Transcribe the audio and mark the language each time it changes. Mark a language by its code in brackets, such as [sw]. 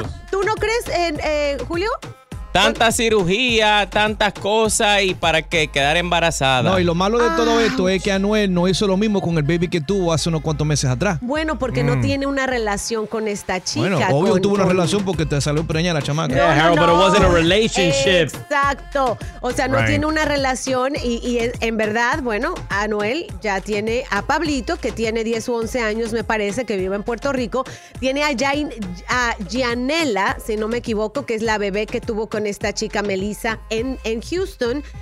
[es] ¿Tú no crees en Julio? Tanta cirugía, tantas cosas y para qué quedar embarazada. No, y lo malo de todo esto es que Anuel no hizo lo mismo con el baby que tuvo hace unos cuantos meses atrás. Bueno, porque no tiene una relación con esta chica. Bueno, obvio tuvo una relación porque te salió preñada la chamaca. [en] Yeah, Harold, no. But it wasn't a relationship. [es] Exacto. O sea, no tiene una relación y en verdad, bueno, Anuel ya tiene a Pablito, que tiene 10 u 11 años, me parece, que vive en Puerto Rico. Tiene a Gianella, si no me equivoco, que es la bebé que tuvo con esta chica Melissa en Houston.